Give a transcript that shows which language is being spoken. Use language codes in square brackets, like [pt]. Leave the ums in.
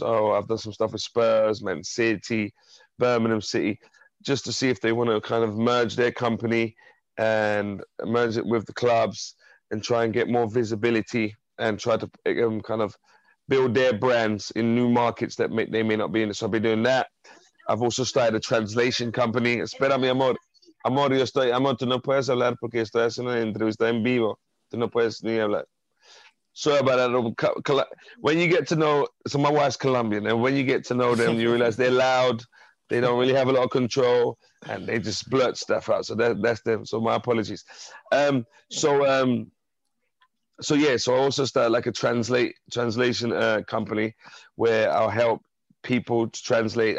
[en] Oh, I've done some stuff with Spurs, Man City, Birmingham City, just to see if they want to kind of merge their company and merge it with the clubs and try and get more visibility and try to um, kind of build their brands in new markets that may, they may not be in. So I've been doing that. I've also started a translation company. [es] Espérame, amor. Amor, yo estoy. Amor, tú no puedes hablar porque estoy haciendo una entrevista en vivo. Tú no puedes ni hablar. [en] Sorry about that. When you get to know, so my wife's Colombian, and when you get to know them, you realize they're loud. They don't really have a lot of control, and they just blurt stuff out. So that, that's them. So my apologies. Um, so um, so yeah, so I also started like a translate translation uh, company where I'll help people to translate.